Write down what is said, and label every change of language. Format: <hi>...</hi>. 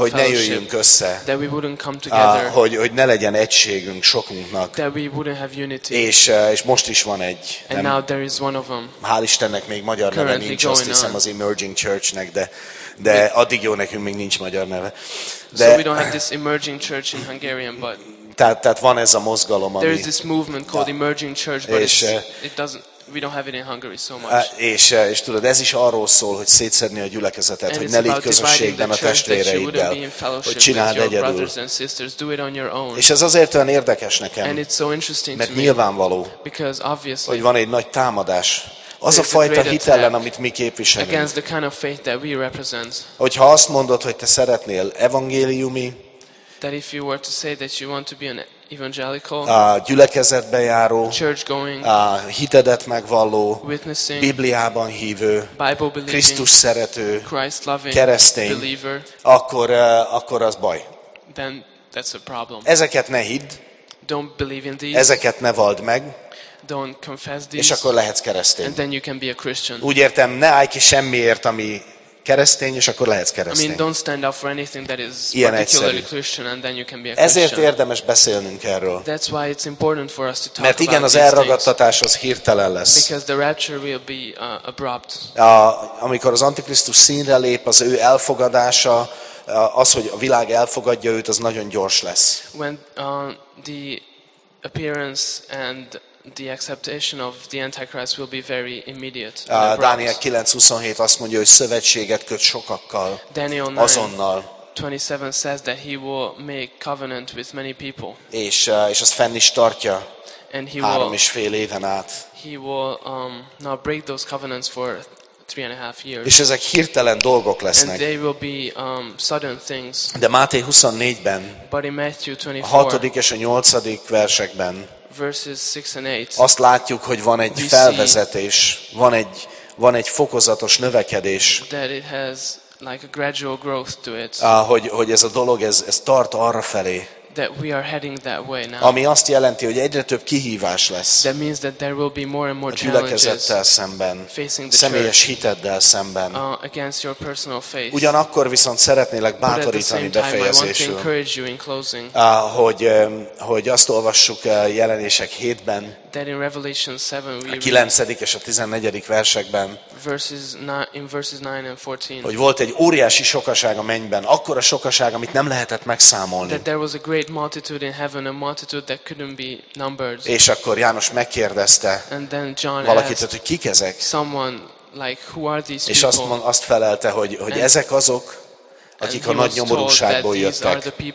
<hu>hogy ne jöjjünk össze,</hu> <en>that we wouldn't come together,</en> <hu>hogy ne legyen egységünk sokunknak,</hu> <en>that we wouldn't have unity,</en> <hu>és most is van egy,</hu> <en>and now there is one of them.</en> <hu>Hál' Istennek még magyar neve nincs, azt hiszem az Emerging Churchnek, de addig jó, nekünk még nincs magyar neve.</hu> <en>De, so we don't have this Emerging Church in Hungarian, but</en> <hu>tehát van ez a mozgalom,</hu> <en>there is this movement called Emerging Church, but it doesn't. We don't have it in Hungary so much.</en> <hu>És tudod, ez is arról szól, hogy szétszedni a gyülekezetet,</hu> <en>and</en> <hu>hogy ne légy közösségben a testvéreiddel, hogy csináld egyedül. És ez azért olyan érdekes nekem,</hu> <en>so</en> <hu>mert nyilvánvaló, hogy van egy nagy támadás. Az a fajta hit ellen, amit mi képviselünk.</hu> <en>The kind of faith that we,</en> <hu>hogyha azt mondod, hogy te szeretnél evangéliumi,</hu> <en>that if you were to say that you want to be an evangelical,</en> <hu>gyülekezetbe járó,</hu> <en>church going,</en> <hu>hitedet megvalló,</hu> <en>witnessing,</en> <hu>Bibliában hívő,</hu> <en>Bible believing,</en> <hu>Krisztus szerető,</hu> <en>Christ loving,</en> <hu>keresztény,</hu> <en>believer,</en> <hu>akkor az baj.</hu> <en>Then that's a problem.</en> <hu>Ezeket ne hidd,</hu> <en>don't believe in these,</en> <hu>ezeket ne valld meg,</hu> <en>don't confess these,</en> <hu>és akkor lehetsz keresztény.</hu> <en>And then you can be a Christian.</en> <hu>Úgy értem, ne állj ki semmiért, ami keresztény, és akkor lehetsz keresztény.</hu> <en>I mean, don't stand up for anything that is particularly Christian, and then you can be a Christian.</en> <hu>Ezért érdemes beszélnünk erről.</hu> <en>That's why it's important for us to talk.</en> <hu>Mert igen, az elragadtatás az hirtelen lesz.</hu> <en>Because the rapture will be abrupt.</en> <hu>Amikor az Antikrisztus színre lép, az ő elfogadása, az, hogy a világ elfogadja őt, az nagyon gyors lesz.</hu> <en>When the appearance and the acceptation of the Antichrist will be very immediate.</en> <hu>Dániel 9:27 azt mondja, hogy szövetséget köt sokakkal.</hu> <en>Daniel 9,</en> <hu>azonnal.</hu> <en>27 says that he will make covenant with many people.</en> <hu>És azt fenn is tartja.</hu> <en>And he</en> <hu>három</hu> <en>will,</en> <hu>és fél éven át.</hu> <en>He will not break those covenants for 3.5 years.</en> <hu>És ezek hirtelen dolgok lesznek.</hu> <en>And they will be sudden things.</en> <hu>De Máté 24-ben,</hu> <en>but in Matthew 24,</en> <hu>a 6. és a 8. versekben</hu> <en>verses 6 and 8.</en> <hu>Azt látjuk, hogy van egy felvezetés, van egy fokozatos növekedés.</hu> <en>That it has like a gradual growth to it.</en> <hu>Hogy ez a dolog ez tart arra felé.</hu> <en>That we are heading that way now.</en> <hu>Ami azt jelenti, hogy egyre több kihívás lesz.</hu> <en>That means that there will be more and more challenges.</en> <hu>A gyülekezettel szemben,</hu> <en>facing the</en> <hu>személyes</hu> <en>church,</en> <hu>hiteddel szemben.</hu> <en>Against your personal faith.</en> <hu>Ugyanakkor viszont szeretnélek bátorítani befejezésül.</hu> <en>But at the same time, I want to encourage you in closing.</en> <hu>Hogy azt olvassuk Jelenések 7-ben.</hu> <en>That in Revelation 7 we</en> <hu>a 9. és a 14. versekben.</hu> <en>Verses 9 and 14.</en> <hu>Hogy volt egy óriási sokaság a mennyben, akkora sokaság, amit nem lehetett megszámolni.</hu> <en>That there was a great multitude in heaven, a multitude that couldn't be numbered.</en> <hu>És akkor János megkérdezte,</hu> <en>and then John</en> <hu>valakit,</hu> <en>asked,</en> <hu>hogy kik ezek?</hu> <en>Someone like, who are these people?</en> <hu>És azt felelte, hogy ezek azok, akik a nagy nyomorúságból jöttek.</hu>